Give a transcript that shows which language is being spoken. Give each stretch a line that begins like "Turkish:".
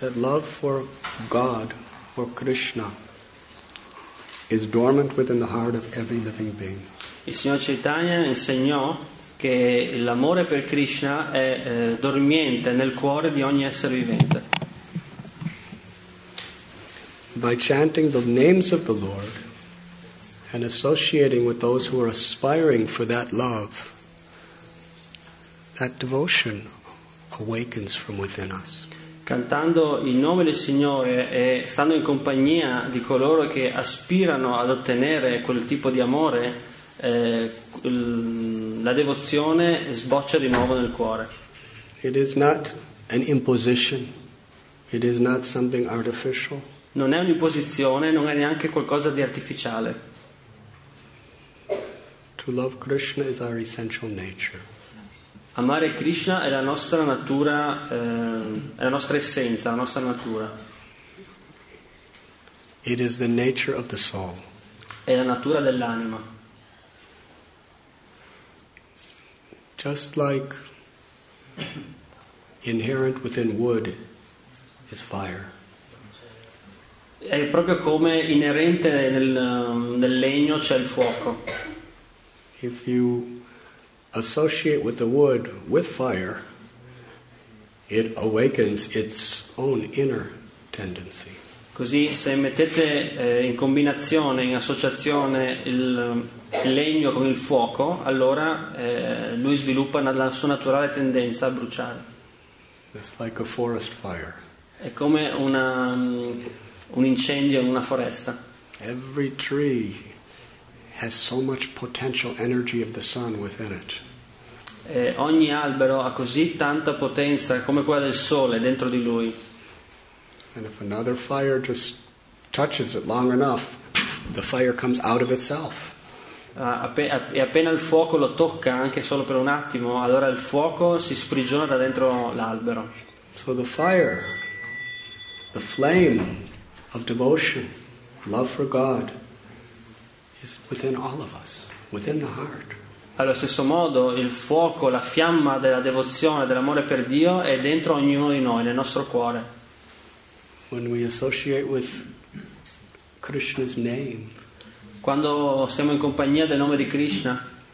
English: That love for God, for Krishna, is dormant within the heart of every living being.
Italian: Il Signor Chaitanya insegnò che l'amore per Krishna è dormiente nel cuore di ogni essere vivente.
English: By chanting the names of the Lord and associating with those who are aspiring for that love, that devotion awakens from within us.
Italian: Cantando il nome del Signore e stando in compagnia di coloro che aspirano ad ottenere quel tipo di amore, la devozione sboccia di nuovo nel cuore.
English: It is not an imposition. It is not something artificial.
Italian: Non è un'imposizione, non è neanche qualcosa di artificiale.
English: To love Krishna is our essential nature.
Italian: Amare Krishna è la nostra natura, è la nostra essenza, la nostra natura.
English: It is the nature of the soul.
Italian: È la natura dell'anima.
English: Just like inherent within wood is fire.
Italian: È proprio come inerente nel legno c'è il fuoco.
English: If you associate with the wood with fire, it awakens its own inner tendency.
Italian: Così se mettete in combinazione, in associazione il legno con il fuoco, allora lui sviluppa la sua naturale tendenza a bruciare.
English: It's like a forest fire.
Italian: È come un incendio in una foresta.
English: Every tree has so much potential energy of the sun within it.
Italian: Ogni albero ha così tanta potenza come quella del sole dentro di lui.
English: And if another fire just touches it long enough, the fire comes out of itself.
Italian: E appena il fuoco lo tocca anche solo per un attimo, allora il fuoco si sprigiona da dentro l'albero.
English: So the fire, the flame of devotion, love for God, is within all of us, within the heart.
Italian: Allo stesso modo, il fuoco, la fiamma della devozione, dell'amore per Dio, è dentro ognuno di noi, nel nostro cuore.
English: When we associate with Krishna's name,
Italian: quando stiamo in compagnia del nome di Krishna,